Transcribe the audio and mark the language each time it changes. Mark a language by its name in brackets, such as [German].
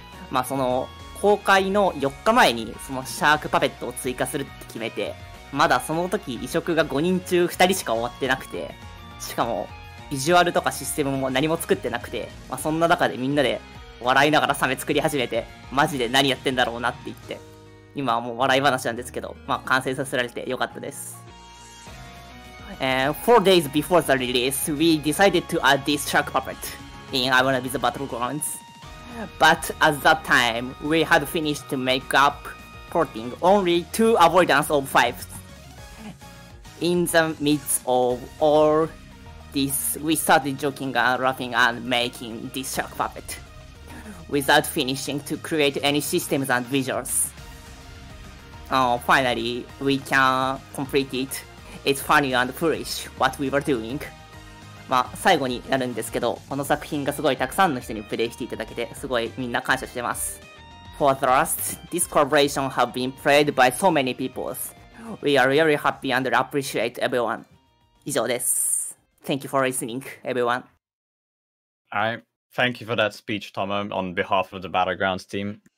[Japanese] まあその公開の4日前にそのシャークパペットを追加するって決めて、まだその時移植が5人中2人しか終わってなくて、しかもビジュアルとかシステムも何も作ってなくて、まあそんな中でみんなで笑いながらサメ作り始めて、マジで何やってんだろうなって言って、今はもう笑い話なんですけど、まあ完成させられてよかったです。 [English] 4 days before the release, we decided to add this shark puppet in I Wanna Be the Battlegrounds. But at that time, we had finished makeup porting only 2 avoidance of 5. In the midst of all this, we started joking and laughing and making this shark puppet. Without finishing to create any systems and visuals. Finally, we can complete it. It's funny and foolish what we were doing. [Japanese] まあ、最後になるんですけど、この作品がすごいたくさんの人にプレイしていただけて、すごいみんな感謝してます。 [English] For the last, this collaboration have been played by so many peoples. We are really happy and appreciate everyone. [Japanese] 以上です。 [English] Thank you for listening, everyone. All right. Thank you for that speech, Tomo, on behalf of the Battlegrounds team.